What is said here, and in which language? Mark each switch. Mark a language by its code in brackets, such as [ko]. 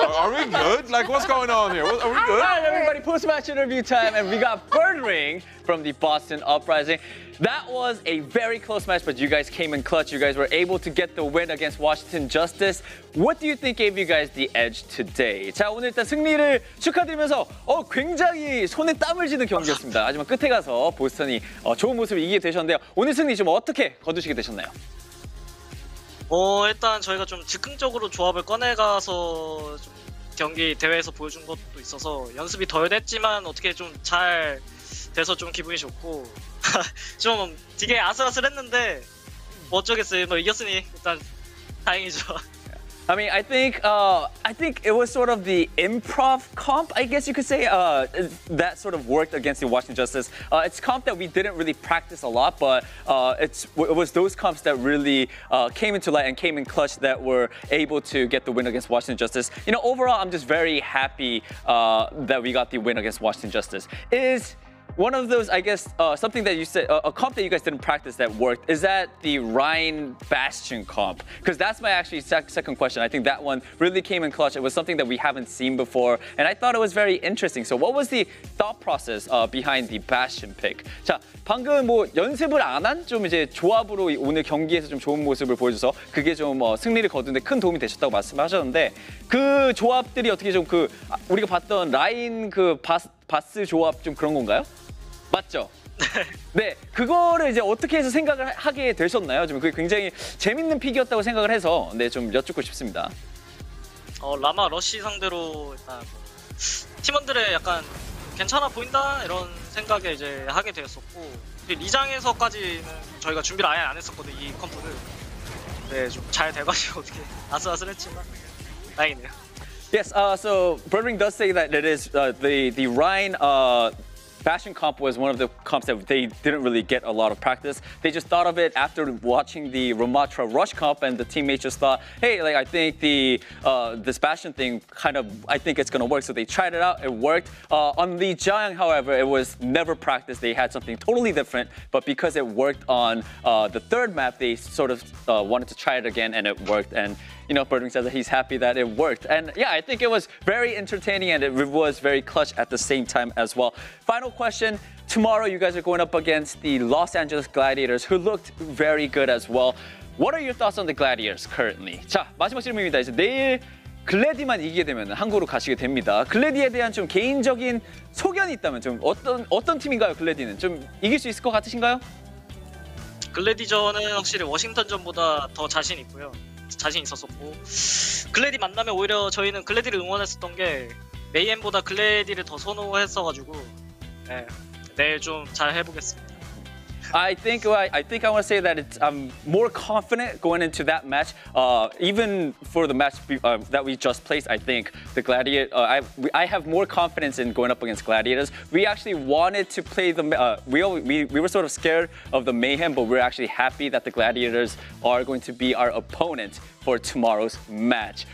[en] Are we good? Like, what's going on here? Are we good? All right, everybody, post-match interview time, and we got Bird Ring from the Boston Uprising. That was a very close match, but you guys came in clutch. You guys were able to get the win against Washington Justice. What do you think gave you guys the edge today? [ko] 자, 오늘 일단 승리를 축하드리면서 굉장히 손에 땀을 쥐는 경기였습니다. 하지만 끝에 가서 보스턴이 좋은 모습을 이기게 되셨는데요. 오늘 승리 좀 어떻게 거두시게 되셨나요? 일단 저희가 좀 즉흥적으로 조합을 꺼내가서 좀 경기 대회에서 보여준 것도 있어서 연습이 덜 됐지만 어떻게 좀 잘 돼서 좀 기분이 좋고 좀 되게 아슬아슬했는데 뭐 어쩌겠어요. 뭐 이겼으니 일단 다행이죠. [en] I mean, I think it was sort of the improv comp, I guess you could say, that sort of worked against the Washington Justice. It's comp that we didn't really practice a lot, but it was those comps that really came into light and came in clutch that were able to get the win against Washington Justice. You know, overall, I'm just very happy that we got the win against Washington Justice. Is one of those, I guess, something that you said, a comp that you guys didn't practice that worked, is that the Ryan Bastion comp? Because that's my actually second question. I think that one really came in clutch. It was something that we haven't seen before, and I thought it was very interesting. So what was the thought process behind the Bastion pick? [ko] 자, 방금 뭐 연습을 안 한 좀 이제 조합으로 오늘 경기에서 좀 좋은 모습을 보여줘서 그게 좀 승리를 거두는 데 큰 도움이 되셨다고 말씀하셨는데 그 조합들이 어떻게 좀 그 우리가 봤던 라인 그 바스 조합 좀 그런 건가요? 맞죠? 네. 네, 그거를 이제 어떻게 해서 생각을 하게 되셨나요? 좀 그게 굉장히 재밌는 픽이었다고 생각을 해서 네, 좀 여쭙고 싶습니다. 라마 러쉬 상대로 일단 뭐, 팀원들의 약간 괜찮아 보인다 이런 생각에 이제 하게 되었었고 리장에서까지는 저희가 준비를 아예 안 했었거든요, 이 컴포를. 네, 좀 잘 돼가지고 어떻게 아슬아슬했지만 다행이네요. [en] Yes, so Birdring does say that it is the Ryan Bastion comp was one of the comps that they didn't really get a lot of practice. They just thought of it after watching the Ramattra Rush comp, and the teammates just thought, hey, like, I think the this Bastion thing kind of, I think it's going to work. So they tried it out. It worked. On Lee Jiang, however, it was never practiced. They had something totally different. But because it worked on the third map, they sort of wanted to try it again, and it worked. And you know, Birdwing says that he's happy that it worked. And yeah, I think it was very entertaining and it was very clutch at the same time as well. Final question. Tomorrow, you guys are going up against the Los Angeles Gladiators, who looked very good as well. What are your thoughts on the Gladiators currently? [ko] 자, 마지막 질문입니다. 이제 내일 글래디만 이기게 되면 한국으로 가시게 됩니다. 글래디에 대한 좀 개인적인 소견이 있다면 좀 어떤 팀인가요, 글래디는? 좀 이길 수 있을 것 같으신가요? 글래디전은 확실히 워싱턴전보다 더 자신 있고요. 자신 있었었고 글래디 만나면 오히려 저희는 글래디를 응원했었던 게 메이엠보다 글래디를 더 선호했어가지고 네, 내일 좀 잘 해보겠습니다. [en] I think I want to say that I'm more confident going into that match. Even for the match that we just placed, I think the Gladiator. I have more confidence in going up against Gladiators. We actually wanted to play the. We were sort of scared of the Mayhem, but we're actually happy that the Gladiators are going to be our opponent for tomorrow's match.